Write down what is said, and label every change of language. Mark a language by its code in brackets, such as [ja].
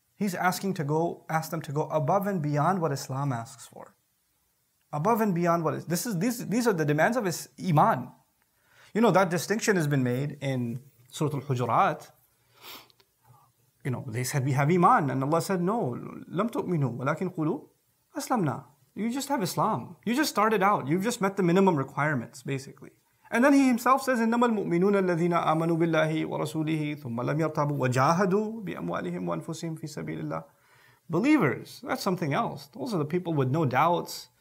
[en] He's asking to go, ask them to go above and beyond what Islam asks for. Above and beyond what is, these are the demands of his Iman. You know, that distinction has been made in Surah Al-Hujurat. You know, they said, we have Iman. And Allah said, no, [ar] لم تؤمنوا ولكن قلوا أسلمنا. [en] You just have Islam. You just started out. You've just met the minimum requirements, basically. And then he himself says, [ar] إِنَّمَا الْمُؤْمِنُونَ الَّذِينَ آمَنُوا بِاللَّهِ وَرَسُولِهِ ثُمَّ لَمْ يَرْتَابُوا وَجَاهَدُوا بِأَمْوَالِهِمْ وَأَنفُسِهِمْ فِي سَبِيلِ اللَّهِ. [en] Believers, that's something else. Those are the people with no doubts.